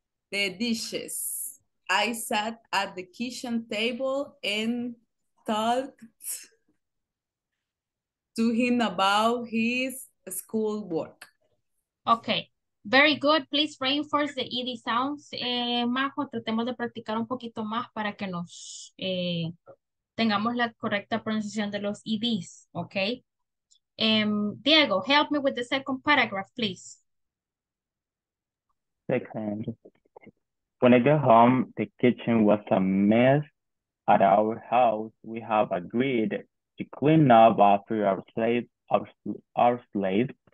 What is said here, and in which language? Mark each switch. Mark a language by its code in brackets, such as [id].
[en] the dishes, I sat at the kitchen table and talked to him about his schoolwork. Okay. Very good. Please reinforce the ED sounds. [es] Majo, tratemos de practicar un poquito más para que nos tengamos la correcta pronunciación de los EDs, ¿ok? [en] Diego, help me with the second paragraph, please. Second. When I got home, the kitchen was a mess. At our house, we have agreed to clean up after our slaves.